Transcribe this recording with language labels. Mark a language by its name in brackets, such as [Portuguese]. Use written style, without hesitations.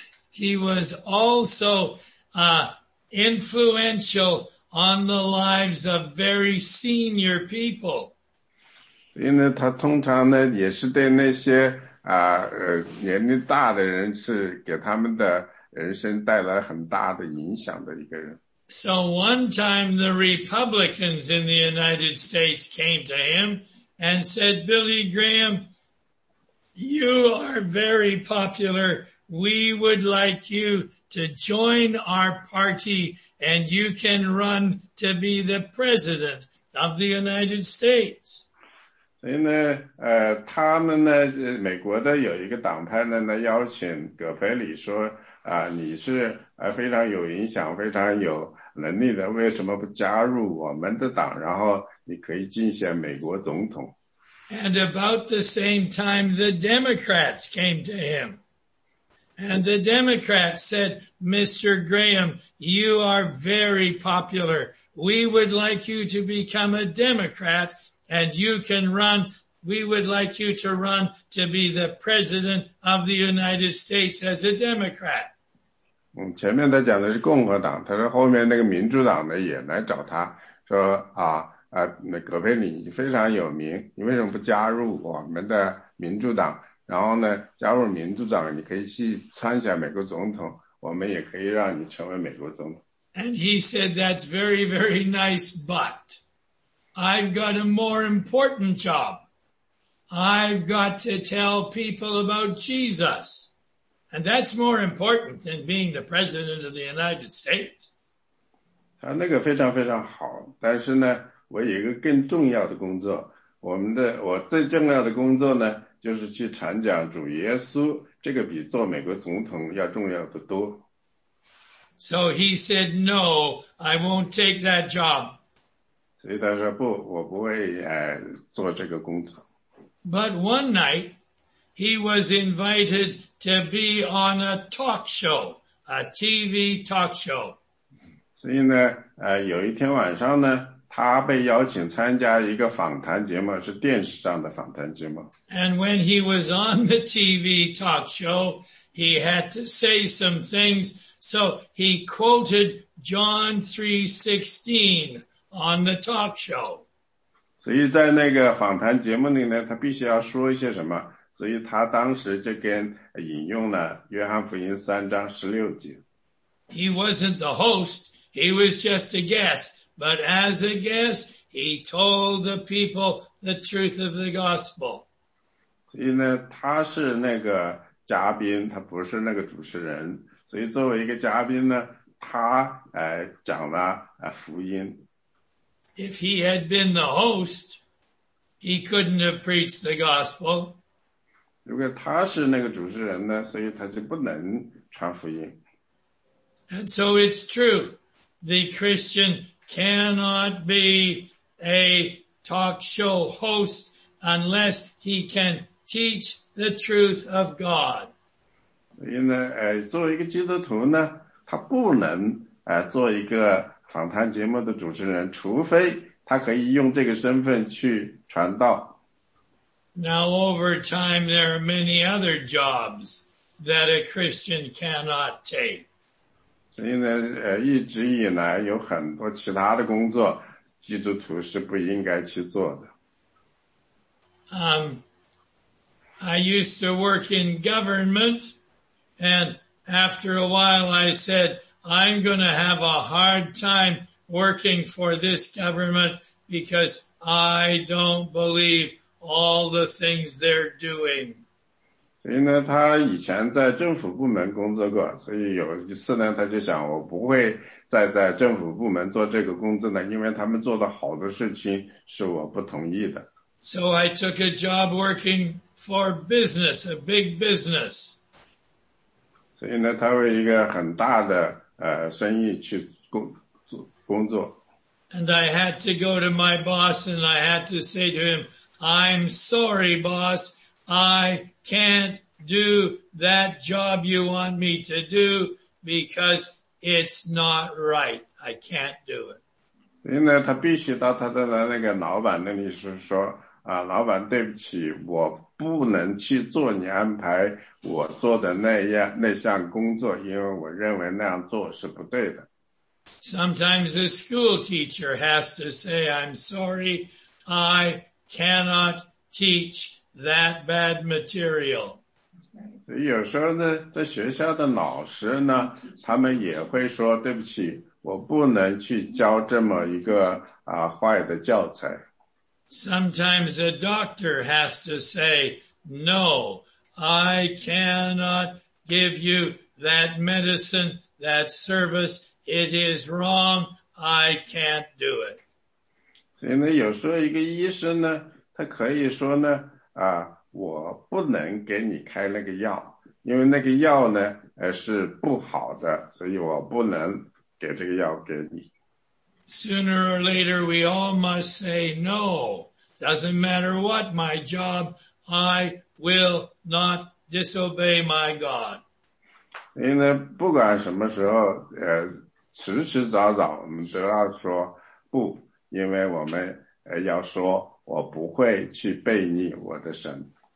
[English] He was also influential on the lives of very senior people. [Chinese] 所以呢，他通常呢也是对那些年龄大的人是给他们的人生带来很大的影响的一个人。 [English] So one time the Republicans in the United States came to him and said, Billy Graham, you are very popular. We would like you to join our party and you can run to be the president of the United States. [Chinese] 所以呢他们呢美国的有一个党派呢邀请葛培理说你是非常有影响非常有能力的为什么不加入我们的党然后你可以竞选美国总统。 [English] And about the same time the Democrats came to him. And the Democrats said, Mr. Graham, you are very popular. We would like you to become a Democrat and you can run. We would like you to run to be the President of the United States as a Democrat. [Chinese] 前面他讲的是共和党，他说后面那个民主党呢也来找他，说那葛培理你非常有名，你为什么不加入我们的民主党？然后呢，加入民主党，你可以去参选美国总统，我们也可以让你成为美国总统。 [English] And he said, that's very, very nice, but I've got a more important job. I've got to tell people about Jesus. And that's more important than being the president of the United States. [Chinese] 他那个非常非常好，但是呢，我有一个更重要的工作，我最重要的工作呢，就是去传讲主耶稣，这个比做美国总统要重要的多。 [English] So he said, no, I won't take that job. [Chinese] 所以他说不，我不会做这个工作。 [English] But one night, he was invited to be on a talk show, a TV talk show. [Chinese] 所以呢有一天晚上呢他被邀请参加一个访谈节目，是电视上的访谈节目。 [English] And when he was on the TV talk show, he had to say some things, so he quoted John 3:16 on the talk show. [Chinese] 所以在那个访谈节目里呢，他必须要说一些什么，所以他当时就跟引用了约翰福音3:16。 [English] He wasn't the host, he was just a guest. But as a guest, he told the people the truth of the gospel. [Chinese] 所以呢，他是那个嘉宾，他不是那个主持人。所以作为一个嘉宾呢，他来讲了福音。 [English] If he had been the host, he couldn't have preached the gospel. [Chinese] 如果他是那个主持人呢，所以他就不能传福音。 [English] And so it's true, the Christian cannot be a talk show host unless he can teach the truth of God. [Chinese] 所以呢，作为一个基督徒呢，他不能做一个访谈节目的主持人，除非他可以用这个身份去传道。 [English] Now over time there are many other jobs that a Christian cannot take. [Chinese] 所以呢，一直以来有很多其他的工作基督徒是不应该去做的。 [English] I used to work in government and after a while I said, I'm going to have a hard time working for this government because I don't believe all the things they're doing. [Chinese] 所以呢，他以前在政府部门工作过，所以有一次呢，他就想，我不会再在政府部门做这个工作呢，因为他们做的好多事情是我不同意的。 [English] So I took a job working for business, a big business. [Chinese] 所以呢，他为一个很大的生意去工作。 [English] And I had to go to my boss and I had to say to him, I'm sorry, boss, I can't do that job you want me to do because it's not right. I can't do it. [Chinese] 所以呢，他必须到他的那个老板那里是说，老板对不起，我不能去做你安排我做的那项工作，因为我认为那样做是不对的。 [English] Sometimes a school teacher has to say, I'm sorry, I cannot teach that bad material. [Chinese] 有时候呢，在学校的老师呢，他们也会说，对不起，我不能去教这么一个坏的教材。 [English] Sometimes a doctor has to say, no, I cannot give you that medicine, that service. It is wrong. I can't do it. [Chinese] 所以呢，有时候一个医生呢，他可以说呢，我不能给你开那个药，因为那个药呢，是不好的，所以我不能给这个药给你。 [English] Sooner or later, we all must say no. Doesn't matter what my job, I will not disobey my God. [Chinese] 因为不管什么时候，迟迟早早，我们都要说不，因为我们要说，我不会去背逆我的神。